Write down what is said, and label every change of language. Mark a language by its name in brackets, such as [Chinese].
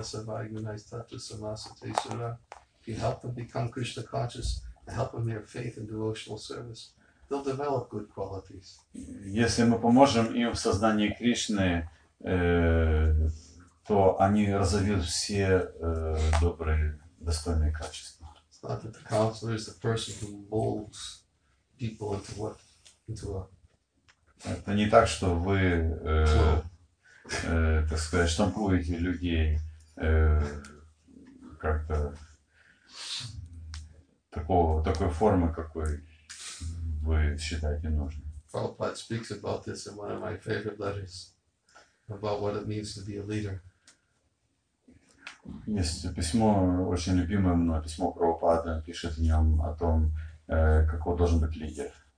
[English] If you help them become Krishna conscious, help them in their faith and devotional service, they'll develop good qualities. [Russian] Если мы поможем им в сознании Кришны, то они разовьют все добрые, достойные качества. [English] It's not that the counselor is the person who molds people into what? Into a... [Russian] Это не так, что вы... так сказать, штампуете людей как-то такой формы, какой вы считаете нужной. [English] Prabhupada speaks about this in one of my favorite letters, about what it means to be a leader. [Russian] Есть письмо, очень любимое мной, письмо Прабхупады, он пишет в нем о том, какой должен быть лидер.